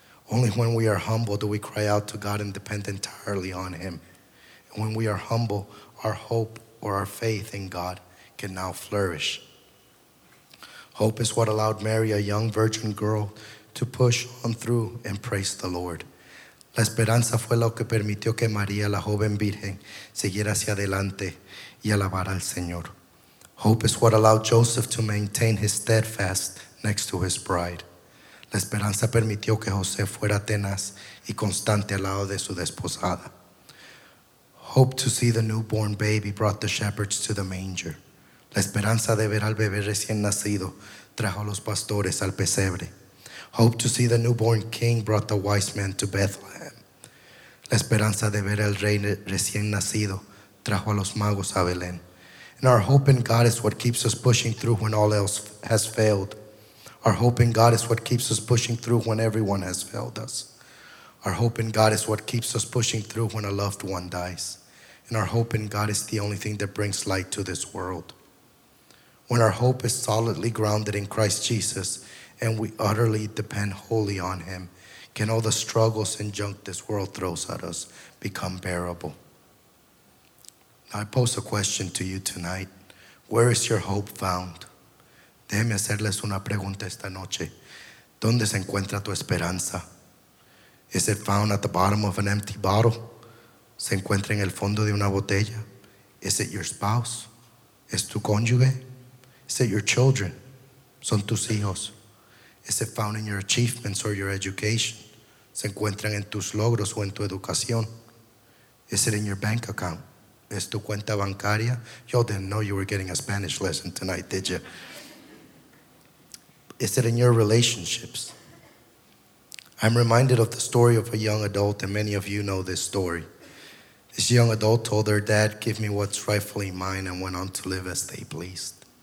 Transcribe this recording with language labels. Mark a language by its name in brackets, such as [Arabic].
[English] Only when we are humble do we cry out to God and depend entirely on Him. And when we are humble, our hope or our faith in God can now flourish. Hope is what allowed Mary, a young virgin girl, to push on through and praise the Lord. [Spanish] La esperanza fue lo que permitió que María, la joven virgen, siguiera hacia adelante y alabara al Señor. [English] Hope is what allowed Joseph to maintain his steadfast next to his bride. [Spanish] La esperanza permitió que José fuera tenaz y constante al lado de su desposada. [English] Hope to see the newborn baby brought the shepherds to the manger. [Spanish] La esperanza de ver al bebé recién nacido trajo a los pastores al pesebre. [English] Hope to see the newborn king brought the wise men to Bethlehem. [Spanish] La esperanza de ver al rey recién nacido trajo a los magos a Belén. [English] And our hope in God is what keeps us pushing through when all else has failed. Our hope in God is what keeps us pushing through when everyone has failed us. Our hope in God is what keeps us pushing through when a loved one dies. And our hope in God is the only thing that brings light to this world. When our hope is solidly grounded in Christ Jesus and we utterly depend wholly on Him, can all the struggles and junk this world throws at us become bearable? I pose a question to you tonight. Where is your hope found? [Spanish] Déjeme hacerles una pregunta esta noche. ¿Dónde se encuentra tu esperanza? [English] Is it found at the bottom of an empty bottle? [Spanish] ¿Se encuentra en el fondo de una botella? [English] Is it your spouse? [Spanish] ¿Es tu cónyuge? [English] Is it your children? [Spanish] ¿Son tus hijos? [English] Is it found in your achievements or your education? [Spanish] ¿Se encuentran en tus logros o en tu educación? [English] Is it in your bank account? [Spanish] ¿Es tu cuenta bancaria? [English] Y'all didn't know you were getting a Spanish lesson tonight, did you? Is it in your relationships? I'm reminded of the story of a young adult, and many of you know this story. This young adult told her dad, "Give me what's rightfully mine," and went on to live as they pleased.